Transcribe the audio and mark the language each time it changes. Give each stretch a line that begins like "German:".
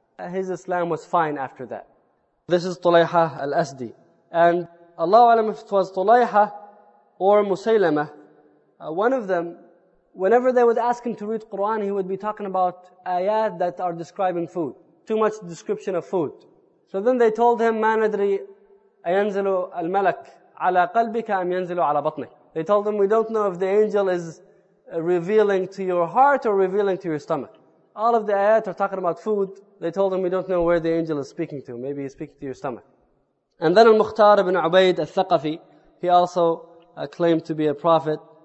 English: His Islam was fine after that. This is Tulayha Al-Azdi. And Allahu A'lam if it was Tulayha or Musaylama, one of them, whenever they would ask him to read Quran, he would be talking about ayat that are describing food. Too much description of food. So then they told him,
Arabic: مَا نَدْرِي أَيَنْزِلُ الْمَلَكُ عَلَى قَلْبِكَ أَمْ يَنْزِلُ عَلَى بَطْنِكَ.
English: They told him, we don't know if the angel is revealing to your heart or revealing to your stomach. All of the ayat are talking about food. They told him, we don't know where the angel is speaking to. Maybe he's speaking to your stomach. And then Al-Mukhtar ibn Ubayd al-Thaqafi, he also claimed to be a prophet.